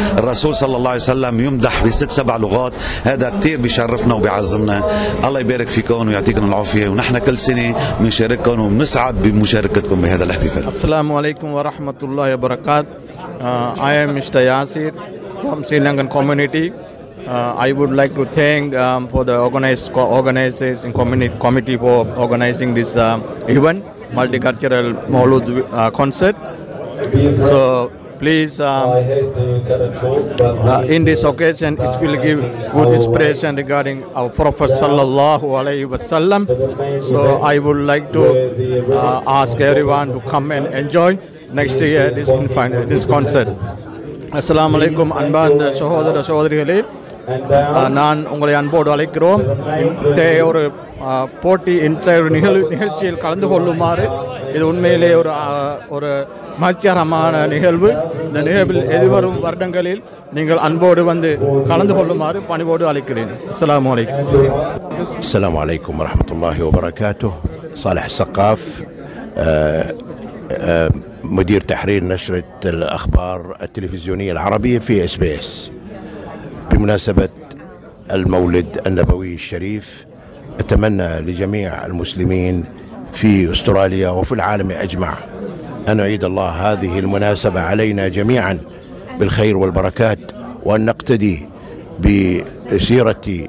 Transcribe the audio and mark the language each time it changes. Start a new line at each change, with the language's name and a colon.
Arabic: الرسول صلى الله عليه وسلم يمدح بست سبع لغات، هذا كتير بيشرفنا وبيعظمنا. الله يبارك فيكم ويعطيكم العافية، ونحن كل سنة بنشارككم وبنسعد بمشاركتكم بهذا الاحتفال. السلام عليكم ورحمة الله وبركاته.
English: I am Mr. Yasir from Sri Lankan community. I would like to thank for the organizing committee for organizing this event, Multicultural Mawlid Concert. So please, in this occasion, it will give good inspiration regarding our Prophet Sallallahu Alaihi Wasallam. So I would like to ask everyone to come and enjoy next year this concert. Assalamu alaikum,
Tamil: Anbanda, Shahodara, Shahodari, நான் உங்களை அன்போடு அழைக்கிறோம் இந்த ஒரு போட்டி இந்த ஒரு நிகழ்ச்சியில் கலந்து கொள்ளுமாறு இது உண்மையிலே ஒரு ஒரு மகிழ்ச்சிகரமான நிகழ்வு இந்த நிகழ்வில் எதிர்வரும் வருடங்களில் நீங்கள் அன்போடு வந்து கலந்து கொள்ளுமாறு பணிவோடு அழைக்கிறேன் அஸ்ஸலாமு அலைக்கும்
Arabic: அஸ்ஸலாமு அலைக்கும் வரஹ்மத்துல்லாஹி வபரகாத்துஹு صالح ثقاف مدير تحرير نشرة الأخبار التلفزيونية العربية في إس بي إس بمناسبة المولد النبوي الشريف أتمنى لجميع المسلمين في أستراليا وفي العالم أجمع أن أعيد الله هذه المناسبة علينا جميعا بالخير والبركات وأن نقتدي بسيرة